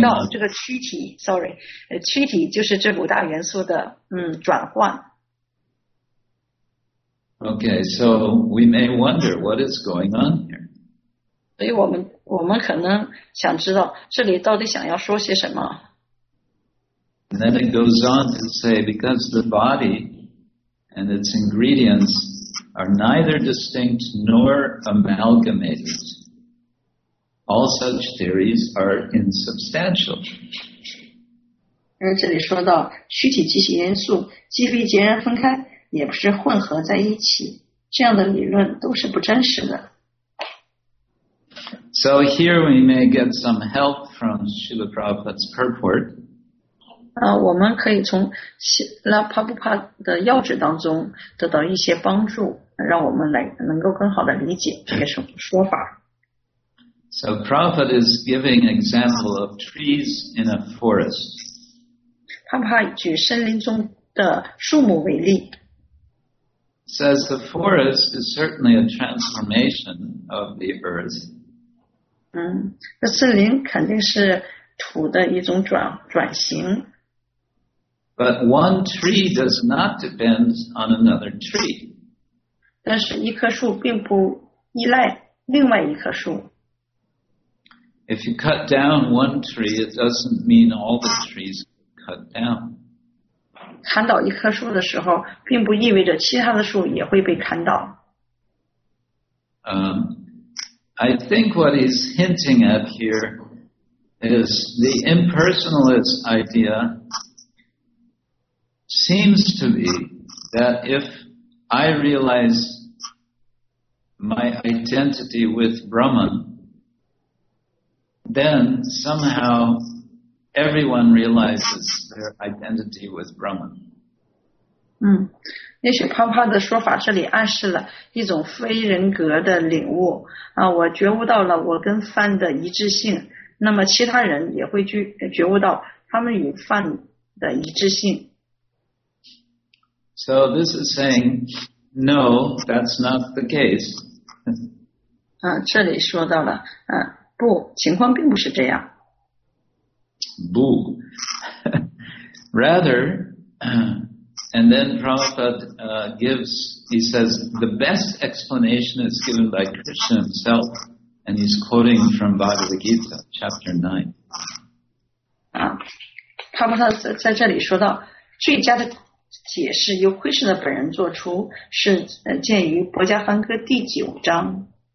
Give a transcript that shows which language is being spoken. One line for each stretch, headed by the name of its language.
Chinese: 这个躯体 躯体就是这五大元素的转换。
English: Okay, so we may wonder what is going on here.
Chinese: 所以我们可能想知道这里到底想要说些什么。
English: And then it goes on to say, because the body and its ingredients are neither distinct nor amalgamated, all such theories are insubstantial.
Chinese: 这里说到躯体及其元素既非截然分开，也不是混合在一起，这样的理论都是不真实的。
English: So here we may get some help from Srila Prabhupada's purport.
Chinese: 我们可以从希拉帕布帕的要旨当中得到一些帮助，让我们能够更好的理解这个说法。
English: So Prabhupada is giving example of trees in a forest.
Chinese: 帕布帕举森林中的树木为例。
English: Says the forest is certainly a transformation of the earth.
Chinese: 那森林肯定是土的一种转型。
English: But one tree does not depend on another tree.
Chinese: 但是一棵树并不依赖另外一棵树。
English: If you cut down one tree, it doesn't mean all the trees cut down.
Chinese: 砍倒一棵树的时候，并不意味着其他的树也会被砍倒。
English: I think what he's hinting at here is the impersonalist idea seems to be that if I realize my identity with Brahman, then somehow everyone realizes their identity with Brahman.
Chinese: 嗯，也许帕帕的说法这里暗示了一种非人格的领悟啊，我觉悟到了我跟梵的一致性，那么其他人也会觉悟到他们与梵的一致性。
English: So this is saying, no, that's not the case.
Chinese: 这里说到了，不，情况并不是这样。不。
English: Rather, and then Prabhupada gives, he says, the best explanation is given by Krishna himself, and he's quoting from Bhagavad Gita, chapter 9.
Chinese: Prabhupada 在这里说到，最佳的解释由慧士的本人做出，是见于《薄伽梵歌》第九章。